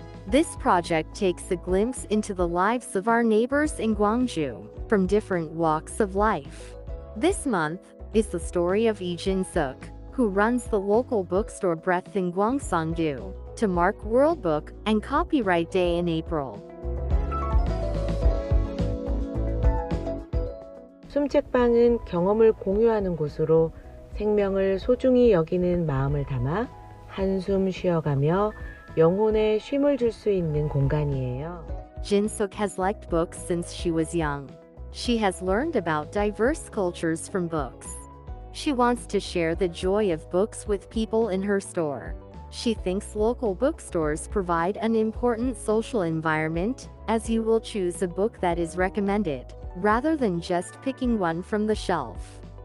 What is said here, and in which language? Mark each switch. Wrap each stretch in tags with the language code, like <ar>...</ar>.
<en>This project takes a glimpse into the lives of our neighbors in Gwangju from different walks of life. This month is the story of JI JIN SEOK, who runs the local bookstore Breath in Gwangsangju, to mark World Book and Copyright Day in April.</en> <ko>숨책방은 경험을 공유하는 곳으로 생명을 소중히 여기는 마음을 담아 한숨 쉬어가며 영혼에 쉼을 줄 수 있는 공간이에요.</ko> <en>JIN SEOK has liked books since she was young. She has learned about diverse cultures from books. She wants to share the joy of books with people in her store. She thinks local bookstores provide an important social environment, as you will choose a book that is recommended, rather than just picking one from the shelf.</en>